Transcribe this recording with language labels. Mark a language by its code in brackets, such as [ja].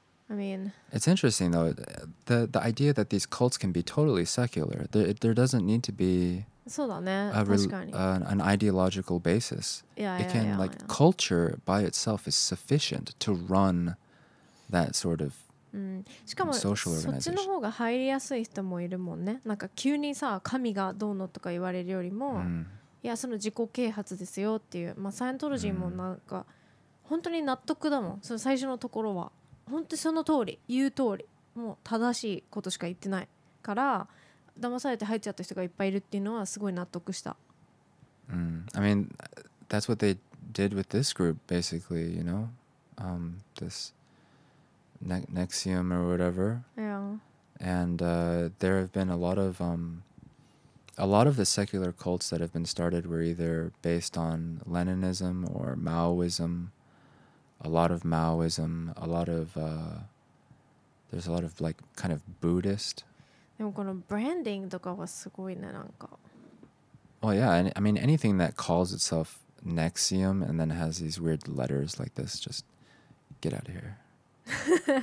[en] I mean... It's interesting, though. The idea that these cults can be totally secular, there doesn't need to be... [ja] そうだね。確かに。 [en] An ideological basis. Yeah, it can, yeah, like, yeah. Culture by itself is sufficient to run that sort of... [ja] うん、しかもそっちの方が入りやすい人もいるもんね。なんか急にさ神がどうのとか言われるよりも、うん、いやその自己啓発ですよっていう、まあ、サイエントロジーもなんか、うん、本当に納得だもん。その最初のところは本当にその通り言う通りもう正しいことしか言ってないから、騙されて入っちゃった人がいっぱいいるっていうのはすごい納得した。 [en] うん、I mean that's what they did with this group basically, you know, thisNexium or whatever. Yeah. And there have been a lot of the secular cults that have been started were either based on Leninism or Maoism. A lot of Maoism, a lot of, there's a lot of like kind of Buddhist. [ja] でもこのブランディングとかはすごいね、なんか。 [en] Well, yeah, I mean, anything that calls itself Nexium and then has these weird letters like this, just get out of here.